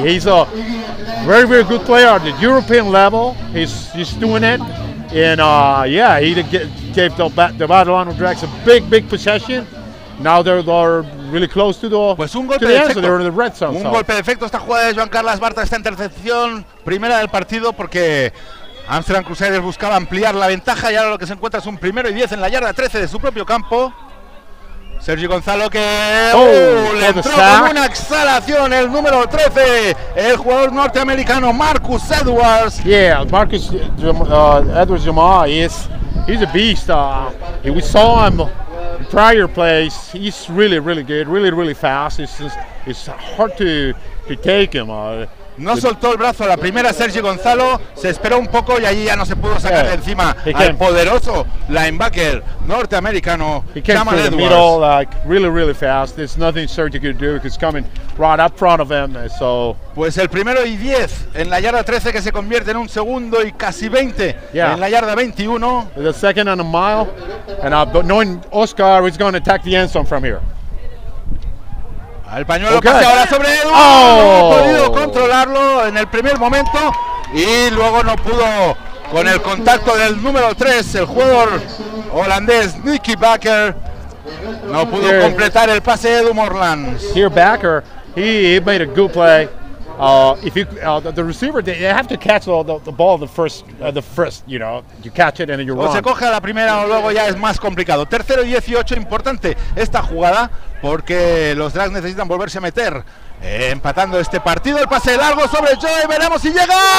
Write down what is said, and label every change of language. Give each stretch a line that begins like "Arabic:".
English: He's a very, very good player at the European level. He's doing it. And he gave the Badalona Drax a big, big possession. Now they're really close to the end.
Spanish: Pues un golpe de efecto.
English: They're in the red zone.
Spanish: Un golpe de efecto esta jugada de Joan Carles Bartra, esta intercepción. Primera del partido porque Amsterdam Crusaders buscaba ampliar la ventaja. Y ahora lo que se encuentra es un primero y 10 en la yarda 13 de su propio campo. Sergio Gonzalo que le entró con una exhalación el número 13, el jugador norteamericano Marcus Edwards.
English: Yeah, Marcus Edwards Jamal he's a beast. We saw him in prior plays. He's really, really good, really, really fast. It's hard to take him.
Spanish: No soltó el brazo a la primera Sergio Gonzalo, se esperó un poco y allí ya no se pudo sacar de encima al poderoso linebacker norteamericano.
English: He came Jamal through the Edwards. Middle like really, really fast. There's nothing Sergio could do because coming right up front of him. So
Spanish: pues el primero y 10 en la yarda 13 que se convierte en un segundo y casi 20 en la yarda 21.
English: The second and a mile, and knowing Oscar is going to attack the end zone from here.
Spanish: El pañuelo pasa ahora sobre Edwards, no ha podido controlarlo en el primer momento y luego no pudo con el contacto del número 3, el jugador holandés Nicky Bakker, no pudo completar el pase de Edwards.
English: Here Bakker, he made a good play. The receiver, they have to catch the ball the first, you know, you catch it and you're wrong.
Spanish: O se coge a la primera o luego ya es más complicado. Tercero y 18, importante esta jugada porque los Drags necesitan volverse a meter empatando este partido. El pase largo sobre Joy, veremos si llega.